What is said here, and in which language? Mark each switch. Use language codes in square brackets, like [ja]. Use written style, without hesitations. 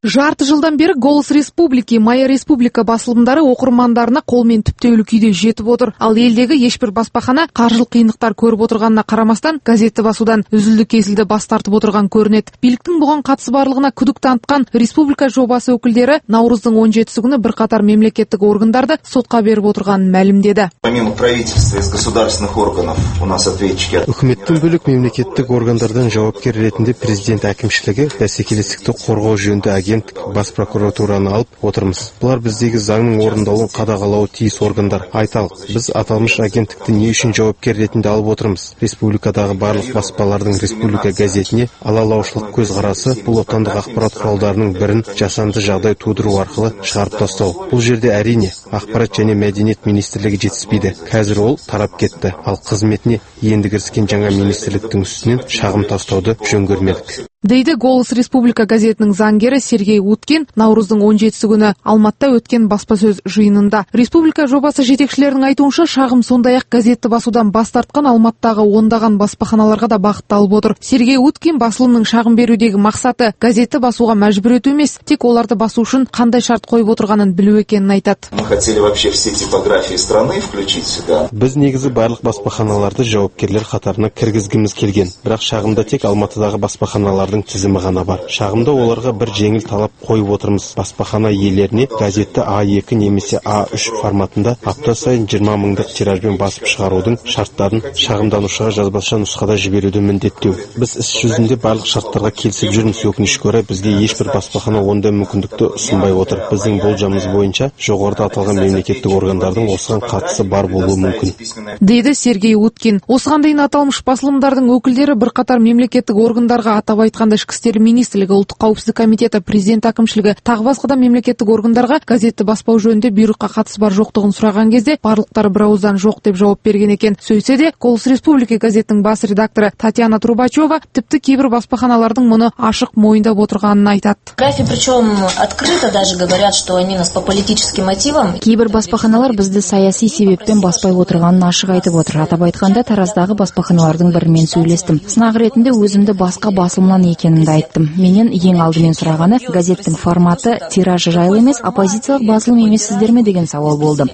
[kk] Жарты жылдан бері Голос Республики, Моя Республика басылымдары оқырмандарына қолмен түптеулі күйде жетіп отыр. Ал елдегі ешбір баспахана қаржылық қиындықтар көріп отырғанына қарамастан газетті басудан үзілді-кесілді бас тартып отырған көрінеді. Биліктің бұған қатысы барлығына күдік танытқан республика жобасы өкілдері наурыздың 17-сі күні бірқатар мемлекеттік органдарды сотқа беріп отырғанын мәлімдеді. [ru] Помимо правительства из государственных органов у нас ответчики. [kk] Үкіметтің бөлік мемлекеттік органдардан жауапкер ретінде президент әкімшілігі, бәсекелестікті қорғау жөнінде агент, бас прокуратураны алып отырмыз. Бұлар біздегі заңның орындалуын қадағалауы тиіс органдар. Айталық, біз аталмыш агенттікті не үшін жауапкер ретінде алып отырмыз? Республикадағы барлық баспалардың республика газетіне алалаушылық көзқарасы бұл отандық ақпарат құралдарының бірін жасанды жағдай тудыру арқылы шығарып тастау. Бұл жерде әрине ақпарат және мәдениет министрлігі жетіспейді. Қазір ол тарап кетті. Ал қызметіне енді кіріскен жаңа министрліктің үстінен шағым тастауды жөн көрмедік. Дейді Голос Республика газетінің заңгері Сергей Уткин, наурыздың 17-сі күні Алматыда өткен баспасөз жиынында. Республика жобасы жетекшілерінің айтуынша шағым сондай-ақ газетті басудан бас тартқан Алматыдағы ондаған баспаханаларға да бағытталып отыр. Сергей Уткин басылымның шағым берудегі мақсаты газетті басуға мәжбүр ету емес, тек оларды басу үшін қандай шарт қойып отырғанын білу екенін айтады. [ru] Мы хотели вообще все типографии страны включить сюда. [kk] Біз негізі барлық баспаханаларды жауапкерлер қатарына кіргізгіміз келген, бірақ шағымда тек Алматыдағы баспаханалар тізімі ғана бар. Шағымда оларға бір жеңіл талап қойып отырмыз. Баспахана иелеріне газетті А2 немесе А3 форматында апта сайын 20 мыңдық тиражбен басып шығарудың шарттарын шағымданушыға жазбаша нұсқада жіберуді міндеттеу. Біз іс жүзінде барлық шарттарға келісіп жүрміз. Өкінішке орай бізге ешбір баспахана ондай мүмкіндікті ұсынбай отыр. Біздің болжамымыз бойынша жоғарыда аталған мемлекеттік органдардың осыған қатысы бар болуы мүмкін. Дейді Сергей Уткин. Осыған дейін аталмыш басылымдардың өкілдері бірқатар мемлекеттік органдарға атап айтқанда Ішкі істер министрлігі, Ұлттық қауіпсіздік комитеті, президент әкімшілігі тағы басқа мемлекеттік органдарға газетті баспау жөнінде бұйрыққа қатысы бар жоқтығын сұраған кезде барлықтары бірауыздан жоқ деп жауап берген екен. Сөйтсе де Голос Республики газетінің бас редакторы Татьяна Трубачева тіпті кейбір баспаханалардың мұны ашық мойындап отырғанын айтады. [ru] Графи причем открыто даже говорят, что они нас по политическим мотивам. [kk] Кейбір баспаханалар бізді саяси себеппен баспай отырғанын ашық айтып отыр. Атап айтқанда Тараздағы баспаханалардың бірімен сөйлестім. Сынақ ретінде өзімді басқа бас Сымнан екенімді айттым. Менен ең алдымен сұрағаны газеттің форматы тиражы жайлы емес, оппозициялық басылым емессіздер ме деген сауал болды.